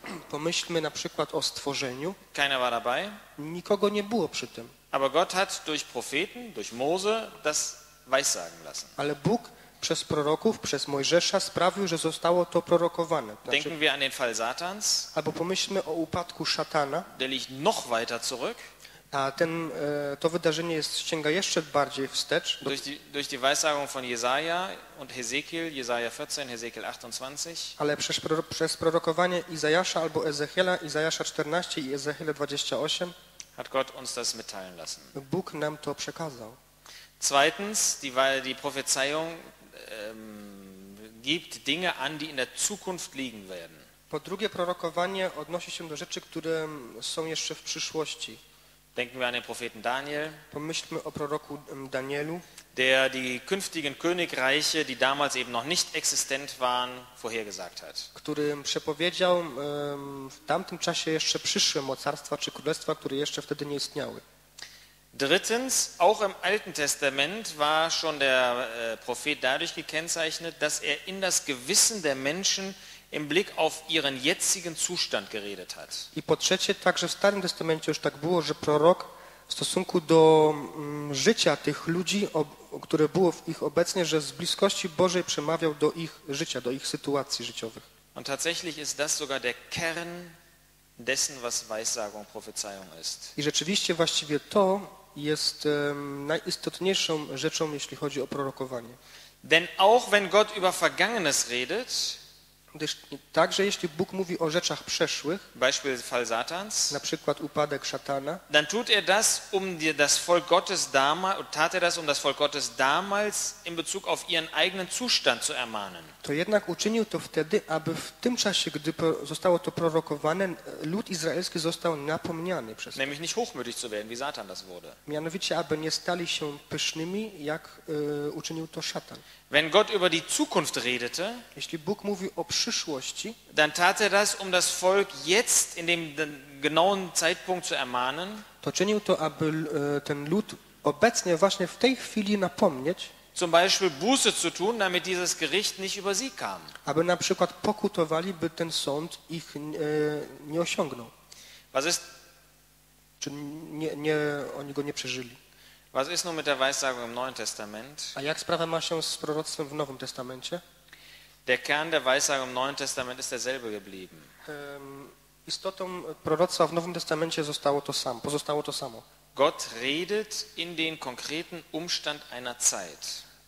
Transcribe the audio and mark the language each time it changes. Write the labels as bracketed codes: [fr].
[pl] Pomyślmy na przykład o stworzeniu. [de] Keiner war dabei. [pl] Nikogo nie było przy tym. [de] Aber Gott hat durch Propheten, durch Mose, das weissagen lassen. [pl] Ale Bóg przez proroków, przez Mojżesza sprawił, że zostało to prorokowane. [de] Znaczy, denken wir an den Fall Satans. [pl] Albo pomyślmy o upadku szatana. [de] Der liegt noch weiter zurück. [pl] A ten, to wydarzenie jest, sięga jeszcze bardziej wstecz. [de] Durch die Weissagung von Jesaja und Hezekiel, Jesaja 14, Hezekiel 28. [pl] Ale przez prorokowanie Izajasza albo Ezechiela, Izajasza 14 i Ezechiela 28. [de] Hat Gott uns das mitteilen lassen. [pl] Bóg nam to przekazał. [de] Zweitens, die Prophezeiung gibt Dinge an, die in der Zukunft liegen werden. [pl] Po drugie, prorokowanie odnosi się do rzeczy, które są jeszcze w przyszłości. [de] Denken wir an den Propheten Daniel. [pl] Pomyślmy o proroku Danielu, [de] der die künftigen Königreiche, die damals eben noch nicht existent waren, vorhergesagt hat. [pl] Który przepowiedział w tamtym czasie jeszcze przyszłe mocarstwa czy królestwa, które jeszcze wtedy nie istniały. [de] Drittens, auch im Alten Testament war schon der Prophet dadurch gekennzeichnet, dass er in das Gewissen der Menschen im Blick auf ihren jetzigen Zustand geredet hat. [pl] I po trzecie, także w Starym Testamencie już tak było, że prorok w stosunku do życia tych ludzi, które było w ich obecnie, że z bliskości Bożej przemawiał do ich życia, do ich sytuacji życiowych. [de] Und tatsächlich ist das sogar der Kern dessen, was Weissagung, Prophezeiung ist. [pl] I rzeczywiście właściwie to jest najistotniejszą rzeczą, jeśli chodzi o prorokowanie. [de] Denn auch wenn Gott über Vergangenes redet, [pl] Także jeśli Bóg mówi o rzeczach przeszłych, [de] Beispiel Fall Satans, [pl] na przykład upadek szatana, [de] dann tut er das, um das Volk Gottes damals, tat er das, um das Volk Gottes damals in Bezug auf ihren eigenen Zustand zu ermahnen. [pl] To jednak uczynił to wtedy, aby w tym czasie, gdy zostało to prorokowane, lud izraelski został napomniany przez [de] Nämlich nicht hochmütig zu werden, wie Satan das wurde. [pl] Mianowicie, aby nie stali się pysznymi, jak uczynił to szatan. [de] Wenn Gott über die Zukunft redete, [pl] jeśli Bóg mówi o przyszłości, [de] dann tat er das, um das Volk jetzt in dem genauen Zeitpunkt zu ermahnen. [pl] To czynił to, aby ten lud obecnie właśnie w tej chwili napomnieć, [de] zum Beispiel Buße zu tun, damit dieses Gericht nicht über sie kam. [pl] Aber na przykład pokutowali, by ten sąd ich nie osiągnął. [de] Was ist? [pl] Czy nie oni go nie przeżyli? [de] Was ist nun mit der Weissagung im Neuen Testament? [pl] A jak sprawa ma się z proroctwem w Nowym Testamencie? [de] Der Kern der Weissagung im Neuen Testament ist derselbe geblieben. [pl] Istotą proroctwa w Nowym Testamencie zostało to samo. Pozostało to samo. [de] Gott redet in den konkreten Umstand einer Zeit.